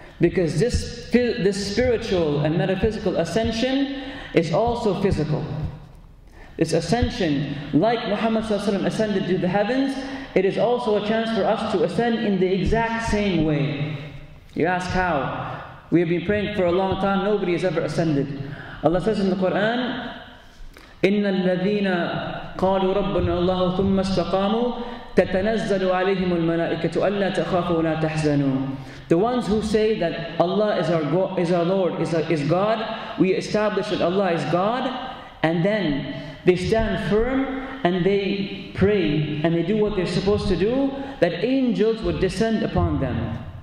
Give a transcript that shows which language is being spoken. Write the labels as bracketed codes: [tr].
[en] Because this spiritual and metaphysical ascension is also physical. This ascension, like Muhammad Sallallahu Alaihi Wasallam ascended to the heavens, it is also a chance for us to ascend in the exact same way. You ask how? We have been praying for a long time, nobody has ever ascended. Allah says in the Quran, [ar] إِنَّ الَّذِينَ قَالُوا رَبَّنَا اللَّهُ ثُمَّ اسْتَقَامُوا تَتَنَزَّلُ عَلَيْهِمُ الْمَلَائِكَةُ أَلَّا تَخَافُوا وَلَا تَحْزَنُوا. [en] The ones who say that Allah is our Lord, is God, we establish that Allah is God, and then they stand firm and they pray and they do what they're supposed to do, that angels would descend upon them.